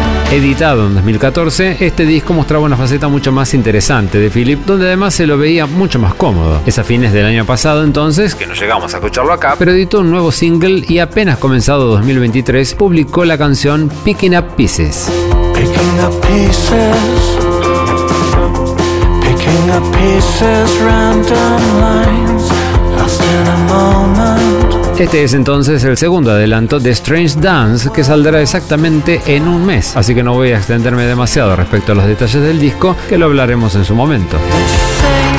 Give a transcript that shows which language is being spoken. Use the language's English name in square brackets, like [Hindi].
[Spanish] Editado en 2014, este disco mostraba una faceta mucho más interesante de Philip, donde además se lo veía mucho más cómodo. Es a fines del año pasado entonces, que no llegamos a escucharlo acá, pero editó un nuevo single y apenas comenzado 2023 publicó la canción Picking Up Pieces. [English] Picking up pieces, picking up pieces, random lines, lost in a moment. [Spanish] Este es entonces el segundo adelanto de Strange Dance, que saldrá exactamente en un mes, así que no voy a extenderme demasiado respecto a los detalles del disco, que lo hablaremos en su momento. (Risa)